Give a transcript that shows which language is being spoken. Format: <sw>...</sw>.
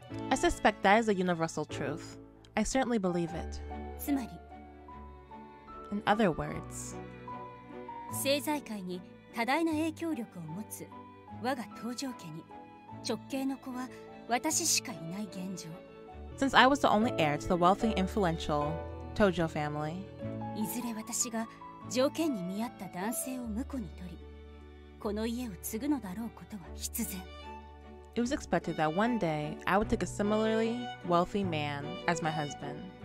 <en>I suspect that is a universal truth. I certainly believe it.</en> <ja>つまり</ja> <en>In other words,</en> <ja>政財界に 多大な影響力を持つ我が東条家に直系の子は私しかいない現状。</ja> <en>Since I was the only heir to the wealthy influential Tojo family,</en> <ja>いずれ私が条件に見合った男性を婿に取り、この家を継ぐのだろうことは必然。</ja> <en>It was expected that one day I would take a similarly wealthy man as my husband.</en>